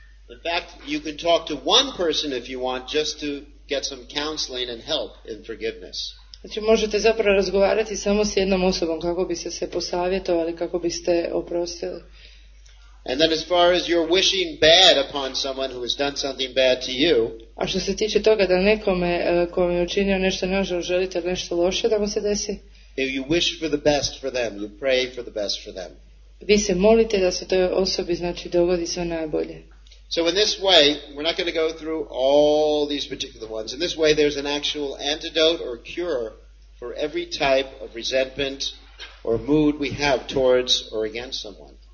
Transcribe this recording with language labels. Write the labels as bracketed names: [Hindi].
[English] In fact, you can talk to one person if you want just to get some counseling and help in forgiveness. [Croatian] Znači, možete zapravo razgovarati samo s jednom osobom kako biste se posavjetovali, kako biste oprostili. [English] And then as far as you're wishing bad upon someone who has done something bad to you, [Croatian] a što se tiče toga da nekome kome je učinio nešto nažal, želite nešto loše da mu se desi, [English] if you wish for the best for them, you pray for the best for them. [Croatian] Vi se molite da se toj osobi znači dogodi sve najbolje. [English] So in this way, we're not going to go through all these particular ones. In this way, there's an actual antidote or cure for every type of resentment or mood we have towards or against someone.